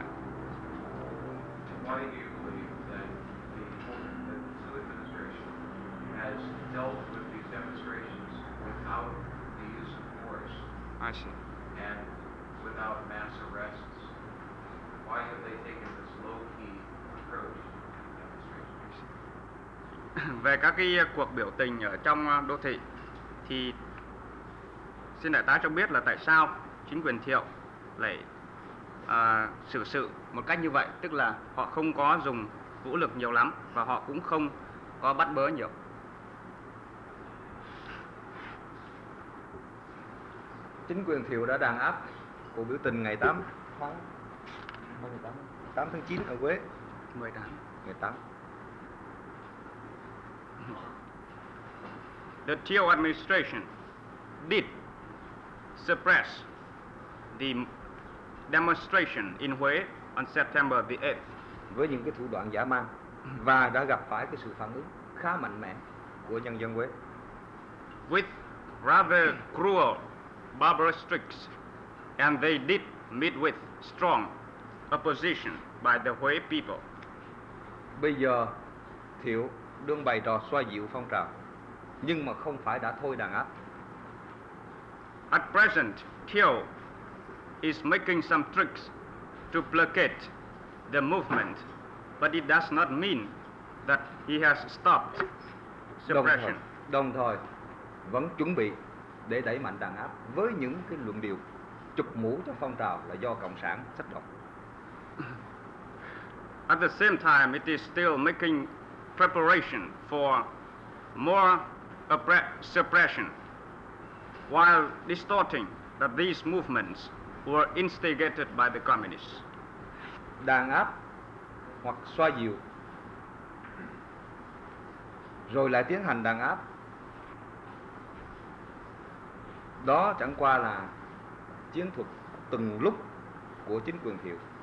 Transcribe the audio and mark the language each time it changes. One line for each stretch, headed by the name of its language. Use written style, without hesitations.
English: Why do you believe that the two administrations dealt with these demonstrations without the use of force. I see. And without mass arrests. Why have they taken this low-key approach?
Vietnamese: Về các cái cuộc biểu tình ở trong đô thị thì xin đại tá cho biết là tại sao chính quyền Thiệu lại xử sự một cách như vậy, tức là họ không có dùng vũ lực nhiều lắm và họ cũng không có bắt bớ nhiều. Chính quyền Thiệu đã đàn áp cuộc biểu tình ngày 8 tháng 8 tháng 9 ở Huế. 10 tháng. Ngày 8.
English: The Thiệu administration did suppress the demonstration in Huế on September the 8th.
Vietnamese: Với những cái thủ đoạn dã man và đã gặp phải cái sự phản ứng khá mạnh mẽ của nhân dân Huế.
English: With rather cruel, barbarous tricks, and they did meet with strong opposition by the Huế people.
Vietnamese: Bây giờ Thiệu đương bày trò xoa dịu phong trào, nhưng mà không phải đã thôi đàn áp.
English: At present, Thiệu is making some tricks to placate the movement, but it does not mean that he has stopped suppression.
Vietnamese: Đồng thời, vẫn chuẩn bị để đẩy mạnh đàn áp với những cái luận điệu chụp mũ cho phong trào là do Cộng sản sách độc.
English: At the same time, it is still making preparation for more suppression while distorting that these movements were instigated by the communists.
Vietnamese: Đàn áp hoặc xoa dịu rồi lại tiến hành đàn áp, đó chẳng qua là chiến thuật từng lúc của chính quyền Thiệu.